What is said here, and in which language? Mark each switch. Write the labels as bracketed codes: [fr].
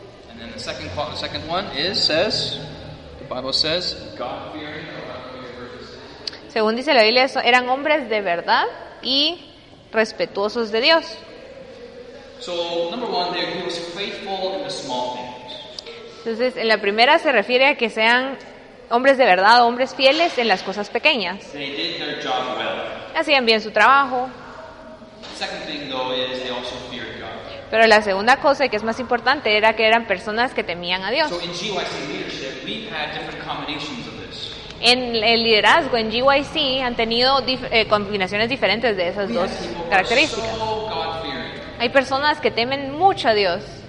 [en] And then the second one is, says, the Bible says, God-fearing or God-fearing. [es] Según dice la Biblia, eran hombres de verdad y respetuosos de Dios. [en] So, number one, there, he was faithful in the small things. [es] Entonces, en la primera se refiere a que sean hombres de verdad, hombres fieles en las cosas pequeñas. [en] They did their job well. [es] Hacían bien su trabajo. [en] Second thing, though, is they also feared God. [es] Pero la segunda cosa, que es más importante, era que eran personas que temían a Dios. [en] So, in GYC leadership, we've had different combinations of this. [es] En el liderazgo, en GYC, han tenido combinaciones diferentes de esas 2 características. Hay personas que temen mucho a Dios.